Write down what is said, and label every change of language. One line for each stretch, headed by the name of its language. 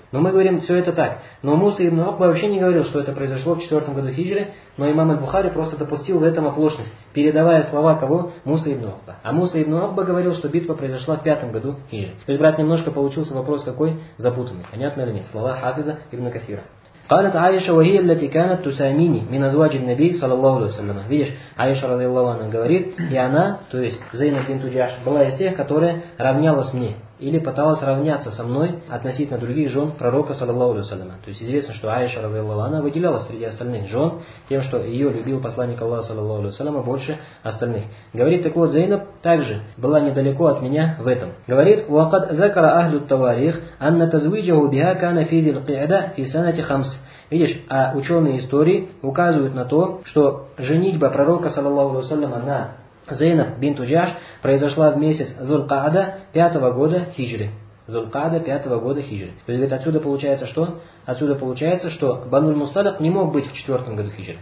Russian: Но мы говорим, все это так. Но Муса ибн Ухба вообще не говорил, что это произошло в 4-м году хиджры, но имам аль-Бухари просто допустил в этом оплошность, передавая слова кого? Муса ибн Ухба. А Муса ибн Ухба говорил, что битва произошла в 5-м году хиджры. То есть, брат, немножко получился вопрос какой? Запутанный. Понятно ли? Слова Хафиза ибн Касира.
Arabic: قالت عائشة وهي التي كانت تسأميني من أزواج النبي صلى الله عليه وسلم.
Russian: Видишь, Аиша
Arabic: رضي الله عنها
Russian: говорит, и она, то есть Зейнаб бинт Джаш, была из тех, которая равнялась мне или пыталась равняться со мной относительно других жен пророка, саллаллаху алейхи ва саллям. То есть известно, что Аиша радиаллаху анха выделялась среди остальных жен тем, что ее любил посланник Аллаха, саллаллаху алейхи ва саллям, больше остальных. Говорит, так вот, Зейнаб также была недалеко от меня в этом. Говорит,
Arabic: وَقَدْ ذَكَرَ أَهْلُ التَّوَارِيخ أَنَّ تَزْوِيجَهُ بِهَا كَانَ فِي ذِي الْقِعْدَةِ فِي سَنَةِ خَمْسِ.
Russian: Видишь, а ученые истории указывают на то, что женитьба пророка, саллаллаху алейхи ва саллям, на Зейнаб бинт Джаш произошла в месяц Зулькаада 5-го года хиджры. Зулькаада 5-го года хиджры. То есть, говорит, отсюда получается что? Отсюда получается, что Бануль-Мусталих не мог быть в 4-м году хиджры.